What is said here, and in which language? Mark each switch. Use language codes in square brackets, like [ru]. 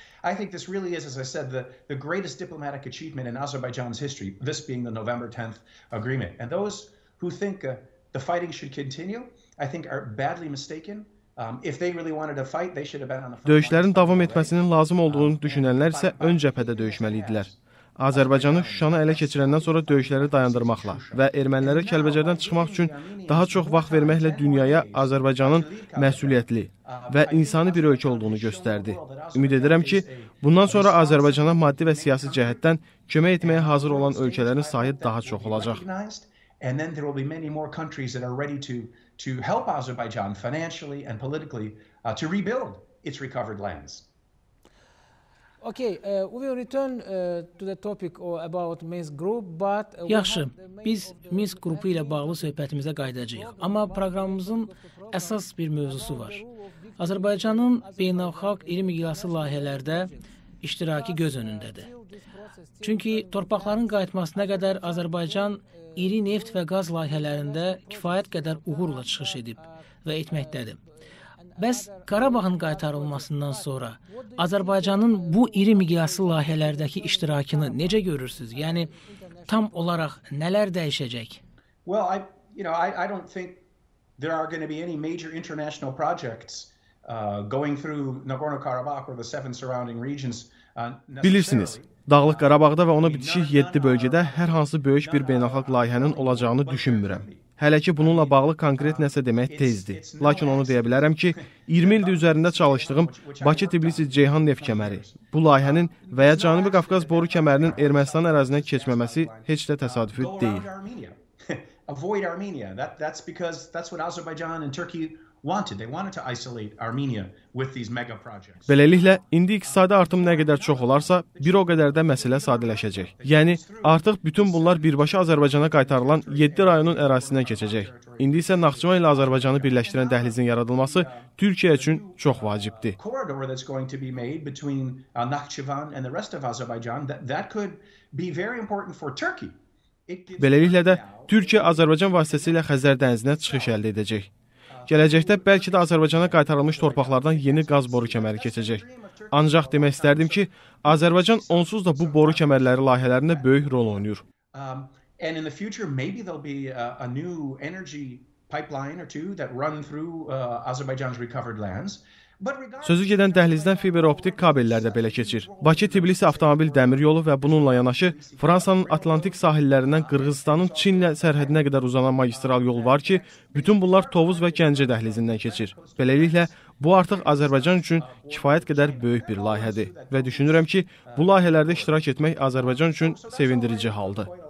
[en] I think this really is, as I said, the greatest diplomatic achievement in Azerbaijan's history, this being the November 10th agreement. And those who think the fighting should continue, I think are badly mistaken. If they really wanted to fight, they should have been on the front. [az] Döyüşlərin davam etməsinin lazım olduğunu düşünənlər isə ön cəbhədə döyüşməli idilər. Azərbaycanı Şuşanı ələ keçirəndən sonra döyüşləri dayandırmaqla və ermənilərə Kəlbəcərdən çıxmaq üçün daha çox vaxt verməklə dünyaya Azərbaycanın məsuliyyətli və insani bir ölkə olduğunu göstərdi. Ümid edirəm ki, bundan sonra Azərbaycana maddi və siyasi cəhətdən kömək etməyə hazır olan ölkələrin sayı daha çox olacaq. [en] And then there will be many more countries that are ready to help Azerbaijan financially and politically to rebuild its recovered lands. Okay, we will return to the topic about Minsk group, but [az] yaxşı, biz Minsk qrupu ilə bağlı söhbətimizə qayıdacağıq. Amma proqramımızın əsas bir mövzusu var. Azərbaycanın beynəlxalq iqlim miqyaslı layihələrdə iştiraki göz önündədir. Çünki torpaqların qayıtmasına qədər Azərbaycan İri neft və qaz layihələrində kifayət qədər uğurla çıxış edib və etməkdədir. Bəs Qarabağın qaytarılmasından sonra Azərbaycanın bu iri miqyaslı layihələrdəki iştirakını necə görürsünüz? Yəni tam olaraq nələr dəyişəcək? [en] Well, I don't think there are going to be any major international projects going through Nagorno-Karabakh or the seven surrounding regions. [az] Bilirsiniz. Dağlıq Qarabağda və ona bitişik 7 bölgədə hər hansı böyük bir beynəlxalq layihənin olacağını düşünmürəm. Hələ ki, bununla bağlı konkret nəsə demək tezdir. Lakin onu deyə bilərəm ki, 20 ildir üzərində çalışdığım Bakı-Tbilisi-Ceyhan neft kəməri, bu layihənin və ya Cənubi Qafqaz boru kəmərinin Ermənistan ərazisinə keçməməsi heç də təsadüfü deyil. [en] Avoid Armenia. That's because that's what Azerbaijan and Turkey wanted. They wanted to isolate Armenia with these mega projects. [az] Beləliklə, indi iqtisadi artım nə qədər çox olarsa, bir o qədər də məsələ sadələşəcək. Yəni, artıq bütün bunlar birbaşa Azərbaycana qaytarılan 7 rayonun ərazisindən keçəcək. İndi isə Naxçıvan ilə Azərbaycanı birləşdirən dəhlizin yaradılması Türkiyə üçün çox vacibdir. [en] The corridor that's going to be made between Naxçıvan and the rest of Azerbaijan, that could be very important for Turkey. [az] Beləliklə də, Türkiyə Azərbaycan vasitəsilə Xəzər dənizinə çıxış əldə edəcək. Gələcəkdə bəlkə də Azərbaycana qaytarılmış torpaqlardan yeni qaz boru kəməri keçəcək. Ancaq demək istərdim ki, Azərbaycan onsuz da bu boru kəmərləri layihələrində böyük rol oynayır. [en] And in the future maybe there'll be a new energy pipeline or two that run through Azerbaijan's recovered lands. [az] Sözü gedən dəhlizdən fiber optik kabellər də belə keçir. Bakı-Tbilisi avtomobil dəmir yolu və bununla yanaşı Fransanın Atlantik sahillərindən Qırğızistanın Çinlə sərhədinə qədər uzanan magistral yol var ki, bütün bunlar Tovuz və Gəncə dəhlizindən keçir. Beləliklə, bu artıq Azərbaycan üçün kifayət qədər böyük bir layihədir və düşünürəm ki, bu layihələrdə iştirak etmək Azərbaycan üçün sevindirici haldır.